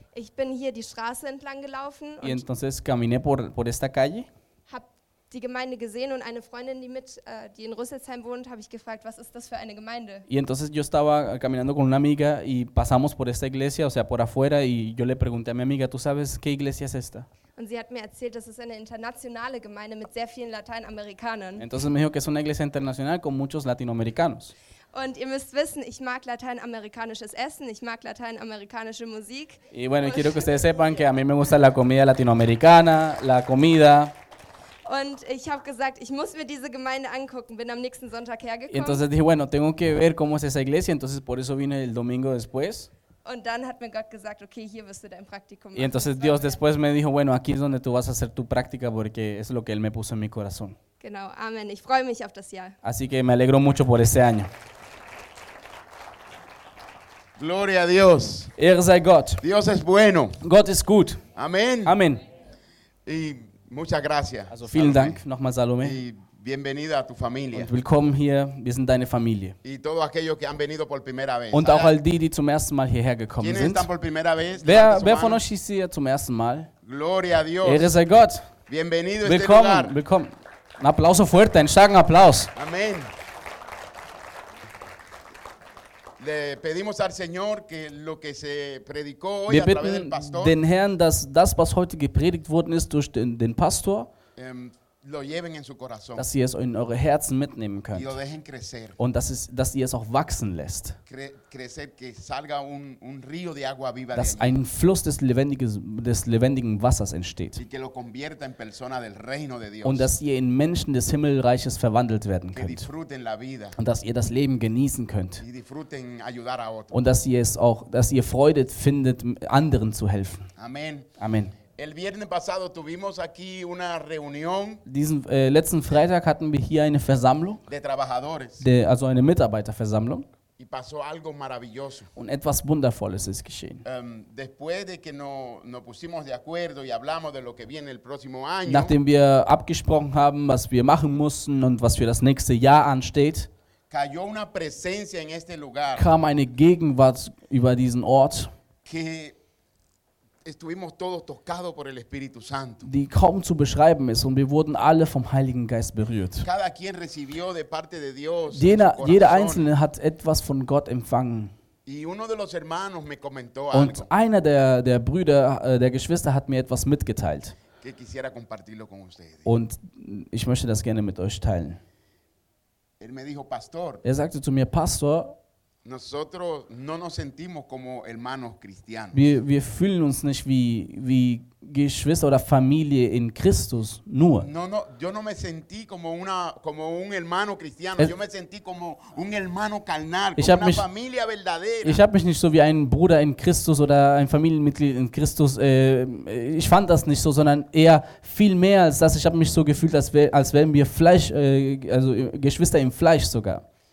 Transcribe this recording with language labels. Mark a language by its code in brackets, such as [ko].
[de] Ich bin hier die Straße entlang gelaufen. [es] Y entonces caminé por esta calle. [de] Die Gemeinde gesehen und eine Freundin, die in Rüsselsheim wohnt, habe ich gefragt, was ist das für eine Gemeinde? [es] Y entonces yo estaba caminando con una amiga y pasamos por esta iglesia, o sea, por afuera, y yo le pregunté a mi amiga, ¿tú sabes qué iglesia es esta? [de] Und sie hat mir erzählt, das ist eine internationale Gemeinde mit sehr vielen Lateinamerikanern. [es] Entonces me dijo que es una iglesia internacional con muchos latinoamericanos. [de] Und ihr müsst wissen, ich mag lateinamerikanisches Essen, ich mag lateinamerikanische Musik. [es] Y bueno, y quiero que ustedes sepan que a mí me gusta la comida latinoamericana, la comida. [de] Und ich habe gesagt, ich muss mir diese Gemeinde angucken, bin am nächsten Sonntag hergekommen. [es] Y entonces dije, bueno, tengo que ver cómo es esa iglesia, entonces por eso vine el domingo después. [de] Und dann hat mir Gott gesagt, okay, hier wirst du dein Praktikum machen. [es] Y entonces Dios después me dijo, bueno, aquí es donde tú vas a hacer tu práctica, porque es lo que Él me puso en mi corazón. [de] Genau, Amen, ich freue mich auf das Jahr. [es] Así que me alegro mucho por este año. Gloria a Dios. [de] Er sei Gott. [es] Dios es bueno. [de] Gott ist gut. Amen. Amen. [es] Y muchas gracias. [de] Also vielen Salome. Dank nochmal Salome. [es] Y bienvenida a tu familia. [de] Und willkommen hier, wir sind deine Familie. [es] Y todo aquello que han venido por primera vez. [de] Und auch all die zum ersten Mal hierher gekommen [es] ¿Quiénes [de] sind. [es] Están por primera vez? [de] Wer von euch ist hier zum ersten Mal? [es] Gloria a Dios. [de] Ehre sei Gott. [es] Bienvenido [de] willkommen, [es] este lugar. [de] Willkommen. Ein Applaus [es] fuerte, [de] einen starken Applaus. Amen. [es] Le pedimos al Señor que lo que se predicó hoy [de] Wir [es] a través del pastor [de] den Herrn, dass das, was heute gepredigt worden ist durch den Pastor, [es] lo lleven en su corazón. [de] Dass ihr es in eure Herzen mitnehmen könnt. [es] Y lo dejen crecer. [de] Und dass, es, dass ihr es auch wachsen lässt. [es] Crecer, que salga un río de agua viva. [de] Dass ein Fluss des lebendigen Wassers entsteht. [es] Y que lo convierta en persona del reino de Dios. [de] Und dass ihr in Menschen des Himmelreiches verwandelt werden könnt. [es] Que disfruten la vida. [de] Und dass ihr das Leben genießen könnt. [es] Y disfruten ayudar a otros. [de] Und dass ihr es auch, dass ihr Freude findet, anderen zu helfen. Amen. Amen. [es] El viernes pasado tuvimos aquí una reunión. [de] Diesen letzten Freitag hatten wir hier eine Versammlung. [es] De trabajadores. [de] Also eine Mitarbeiterversammlung. [es] Y pasó algo maravilloso. [de] Und etwas Wundervolles ist geschehen. [es] Después de que nos pusimos de acuerdo y hablamos de lo que viene el próximo año. [de] Nachdem wir abgesprochen haben, was wir machen mussten und was für das nächste Jahr ansteht. [es] Cayó una presencia en este lugar. [de] Kam eine Gegenwart über diesen Ort. [es] Que estuvimos todos tocados por el Espíritu Santo. [de] Die kaum zu beschreiben ist, und wir wurden alle vom Heiligen Geist berührt. [es] Cada quien recibió de parte de Dios. [de] Jeder Einzelne hat etwas von Gott empfangen. [es] Y uno de los hermanos me comentó algo. [de] Und einer der Brüder, der Geschwister hat mir etwas mitgeteilt. [es] Que quisiera compartirlo con ustedes. [de] Und ich möchte das gerne mit euch teilen. [es] Él me dijo, Pastor. [de] Er sagte zu mir, Pastor. [es] Nosotros no nos sentimos como hermanos cristianos. [de] Wir fühlen uns nicht wie Geschwister oder Familie in Christus nur. [es] No, yo no me sentí como un hermano cristiano. Yo me sentí como un hermano carnal, como una familia verdadera. [de] Ich habe mich nicht so wie ein Bruder in Christus oder ein Familienmitglied in Christus. Ich fand das nicht so, sondern eher viel mehr als das. Ich habe mich so gefühlt, als wären wir Fleisch, also Geschwister im Fleisch sogar.